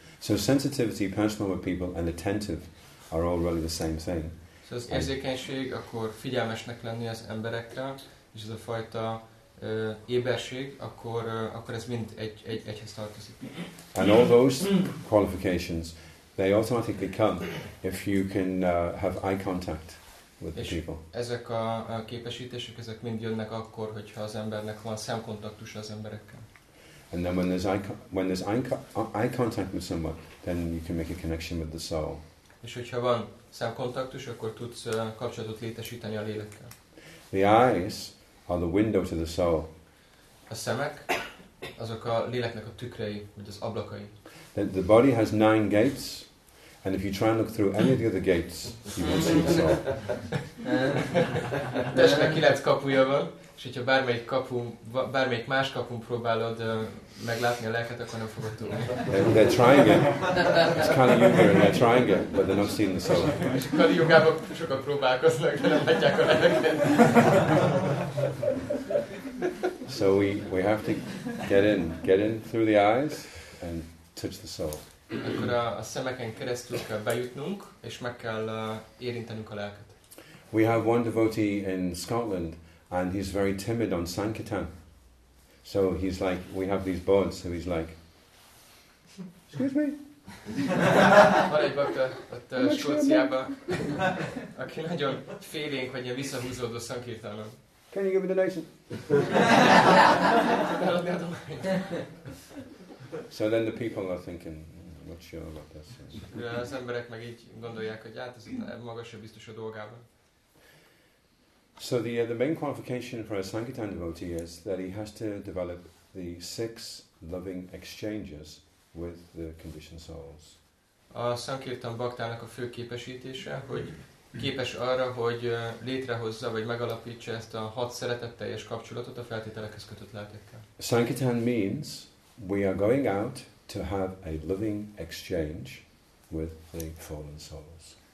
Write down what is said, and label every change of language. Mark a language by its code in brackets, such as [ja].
[en] So sensitivity, personal with people, and attentive are all really the same thing. [hu] So az érzékenység, akkor figyelmesnek lenni az emberekkel, és ez a fajta éberség, akkor ez mind egyhez tartozik. [en] And all those qualifications, they automatically come if you can have eye contact with [hu] és [en] the people. [hu] Ezek a képesítések, ezek mind jönnek akkor, hogyha az embernek van szemkontaktusa az emberekkel. [en] And then when there's eye contact with someone, then you can make a connection with the soul. [hu] És hogyha van szemkontaktus, akkor tudsz kapcsolatot létesíteni a lélekkel. [en] The eyes are the window to the soul. [hu] A szemek, azok a léleknek a tükrei, vagy az ablakai. [en] The body has 9 gates, and if you try and look through any of the other gates, you won't see the soul. [hu] Testnek 9 kapuja van, és hogyha bármelyik más kapun próbálod meglátni a lelket, akkor nem fogod tudni. [en] They're trying it. It's Kali Yuga, and they're trying it, but they're not seeing the soul. [hu] És Kali Yugában sokan próbálkoznak, de nem látják a lelket. [en] So we have to get in through the eyes and touch the soul. [hu] Akkor a szemeken keresztül kell bejutnunk és meg kell érintenünk a lelket. [en] We have one devotee in Scotland and he's very timid on sankirtan. So he's like, we have these boards, so he's like, excuse me. [hu] Van egy bakta ott Skóciában, aki nagyon félénk vagy ilyen visszahúzódó szankirtanon. [en] Can you give me the donation? So then the people are thinking, I'm not sure about this. [hu] Az emberek meg így gondolják, hogy hát ez magasabb biztos a dolgában. [en] So the main qualification for a sankirtan devotee is that he has to develop the 6 loving exchanges with the conditioned souls. [hu] A sankirtan baktának a fő képesítése, hogy képes arra, hogy létrehozza vagy megalapítsa ezt a 6 szeretetteljes kapcsolatot a feltételekhez kötött lelkekkel. [en] Sankirtan means we are going out to have a loving exchange with the fallen souls.